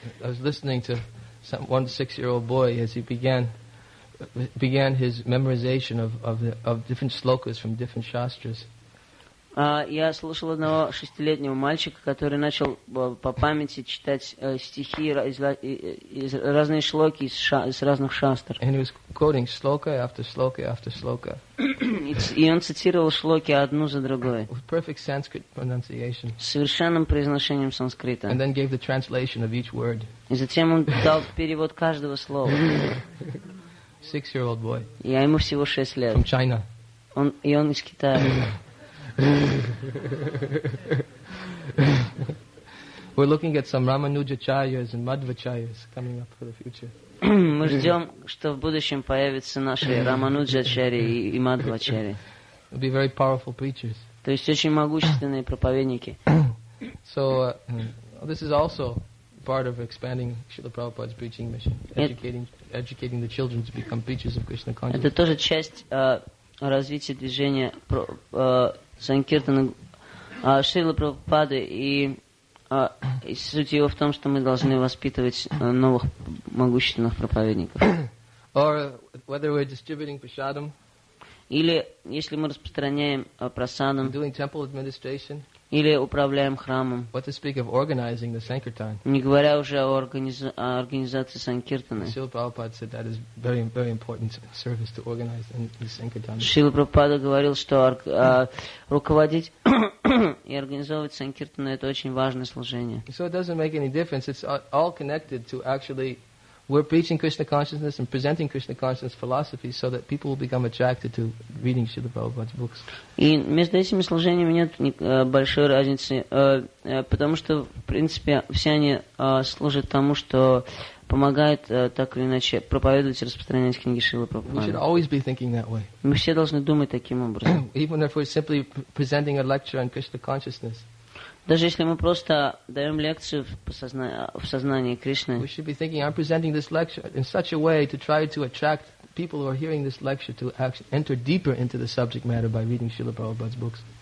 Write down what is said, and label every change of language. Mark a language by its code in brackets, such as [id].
[en] I was listening to one six-year-old boy as he began his memorization of different slokas from different shastras. [ru] Я слушал одного шестилетнего мальчика, который начал по памяти читать стихи из разных шлоки из разных шастр. [en] And he was quoting shloka after shloka after shloka. [ru] И он цитировал шлоки одну за другой. [en] With perfect Sanskrit pronunciation. [ru] С совершенным произношением санскрита. [en] And then gave the translation of each word. [ru] И затем он дал перевод каждого слова. [en] Six-year-old boy. [ru] Я ему всего 6 лет. [en] From China. [ru] Он из Китая. [en] We're looking at some Ramanujacharyas and Madhvacharyas coming up for the future. [ru] Мы ждем, что в будущем появятся наши Рамануджачари и Мадхвачари. [en] It'll be very powerful preachers. [ru] То есть очень могущественные проповедники. [en] So this is also part of expanding Srila Prabhupada's preaching mission, educating the children to become preachers of Krishna consciousness. [ru] Это тоже часть развития движения Санкиртана Шрилы Прабхупады и суть его в том, что мы должны воспитывать новых могущественных проповедников. [en] Or whether we're distributing prasadam, [ru] или если мы распространяем прасадам, [en] doing temple administration, [ru] или управляем храмом, [en] what to speak of organizing the sankirtan, [ru] не говоря уже о организации санкиртаны. [en] Srila Prabhupada said that is very, very important service to organize the sankirtan. [ru] Шрила Прабхупада говорил, что руководить и организовывать санкиртаны — это очень важное служение. [en] So it doesn't make any difference. It's all connected to actually we're preaching Krishna consciousness and presenting Krishna consciousness philosophy so that people will become attracted to reading Srila Prabhupada's books. [ru] И между этими служениями нет большой разницы, потому что, в принципе, все они служат тому, что помогают так или иначе проповедовать и распространять книги Шрилы Прабхупады. [en] We should always be thinking that way. [ru] Мы все должны думать таким образом. [en] Even if we're simply presenting a lecture on Krishna consciousness. [ru] Даже если мы просто даем лекцию в сознании Кришны, [en] we should be thinking, I'm presenting this lecture in such a way to try to attract people who are hearing this lecture to actually enter deeper into the subject matter by reading Srila Prabhupada's books.